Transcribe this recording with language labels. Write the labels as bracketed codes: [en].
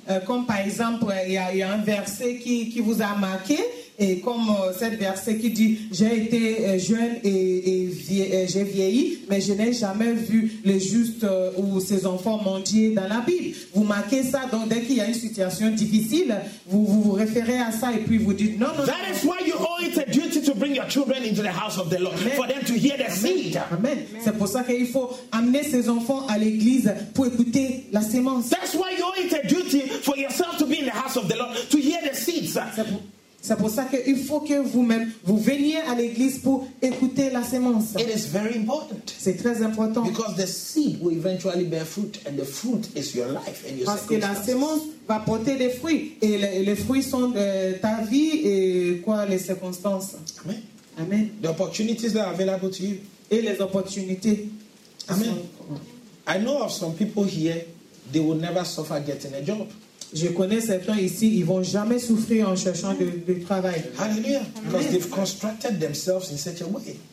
[fr] Comme par exemple, il y a un verset qui vous a marqué, et comme cet verset qui dit, j'ai été jeune et j'ai vieilli, mais je n'ai jamais vu les justes ou ses enfants mendier dans la Bible. Vous marquez ça, donc dès qu'il y a une situation difficile, vous vous référez à ça et puis vous dites, non. [en] That is why you owe it a duty to bring your children into the house of the Lord, amen, for them to hear the seed. Amen. [fr] C'est pour ça qu'il faut amener ses enfants à l'église pour écouter la semence. [en] That's why you owe it a duty for yourself to be in the house of the Lord, to hear the seeds. [fr] C'est pour ça qu'il faut que vous-même, vous veniez à l'église pour écouter la semence. [en] It is very important. [fr] C'est très important. [en] Because the seed will eventually bear fruit, and the fruit is your life and your [fr] Parce que la semence va porter des fruits, et les fruits sont ta vie et quoi, les circonstances. [en] Amen. Amen. The opportunities that are available to you. [fr] Et les opportunités. [en] Amen. I know of some people here, they will never suffer getting a job. [fr] Je connais certains ici, ils vont jamais souffrir en cherchant du travail. [en] Hallelujah. Because they've constructed themselves in such a way.